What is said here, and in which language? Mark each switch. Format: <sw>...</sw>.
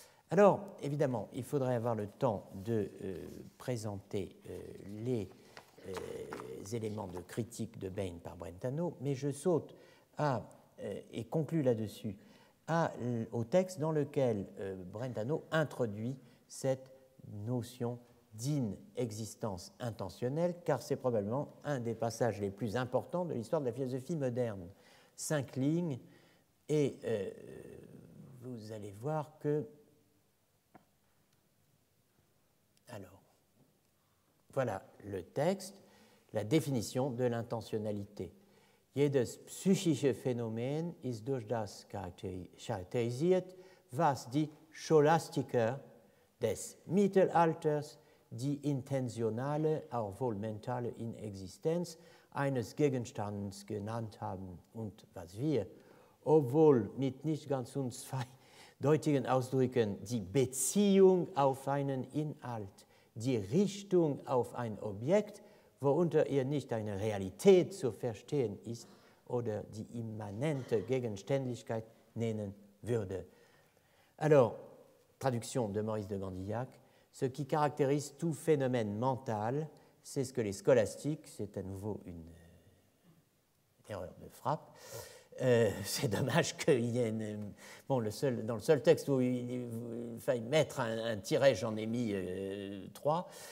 <fr>Alors, évidemment, il faudrait avoir le temps de présenter les éléments de critique de Bain par Brentano, mais je saute à, et conclue là-dessus, au texte dans lequel Brentano introduit cette notion d'inexistence intentionnelle, car c'est probablement un des passages les plus importants de l'histoire de la philosophie moderne. Cinq lignes, et vous allez voir que... Alors, voilà le texte, la définition de l'intentionnalité.</fr> <de>Jedes psychische Phänomen ist durch das charakterisiert, was die Scholastiker des Mittelalters die intentionale, auch wohl mentale Inexistenz eines Gegenstands genannt haben und was wir, obwohl mit nicht ganz uns deutigen Ausdrücken die Beziehung auf einen Inhalt, die Richtung auf ein Objekt, worunter ihr nicht eine Realität zu verstehen ist oder die immanente Gegenständlichkeit nennen würde.</de> <fr>Alors, traduction de Maurice de Gandillac, ce qui caractérise tout phénomène mental, c'est ce que les scolastiques, c'est à nouveau une erreur de frappe, c'est dommage qu'il y ait une, bon, dans le seul texte où il faille mettre un tiret, j'en ai mis trois.</fr>